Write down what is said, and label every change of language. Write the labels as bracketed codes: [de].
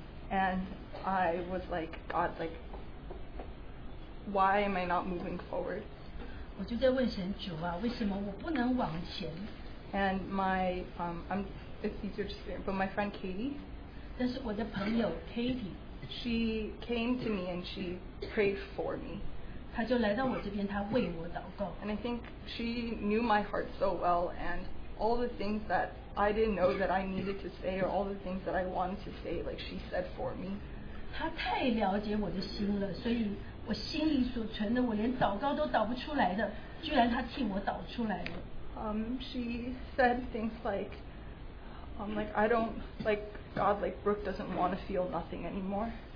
[en] And I was like, God, like, why am I not moving forward? [zh] 我就在问神主啊，为什么我不能往前？ [en] And my, it's easier to say, but my friend Katie. [zh] 但是我的朋友 Katie, [en] she came to me and she prayed for me. [zh] 她就来到我这边，她为我祷告。 [en] And I think she knew my heart so well, and all the things that I didn't know that I needed to say, or all the things that I wanted to say, like she said for me. [zh] 她太了解我的心了，所以我心里所存的，我连祷告都祷不出来的，居然她替我祷出来了。 [en] She said things like. Like I don't like God. Like Brooke doesn't want to feel nothing anymore.